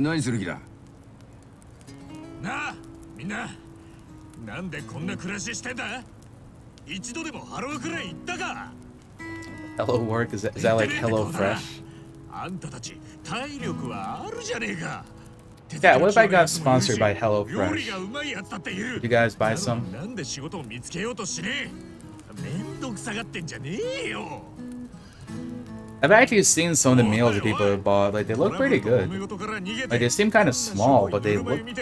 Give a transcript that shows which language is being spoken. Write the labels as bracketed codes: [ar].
[ja] 何する気だ。なあ、みんな、なんでこんな暮らししてんだ。一度でもハローくらい行ったか。 [en] Hello work is that like Hello Fresh? [ja] あんたたち体力はあるじゃねえか。 [en] Yeah, what if I got sponsored by Hello Fresh? You guys buy some? [ja] なんで仕事を見つけようとしねえ。めんどくさがってんじゃねえよ。 [en] I've actually seen some of the meals that people have bought. Like, they look pretty good. Like, they seem kind of small, but they look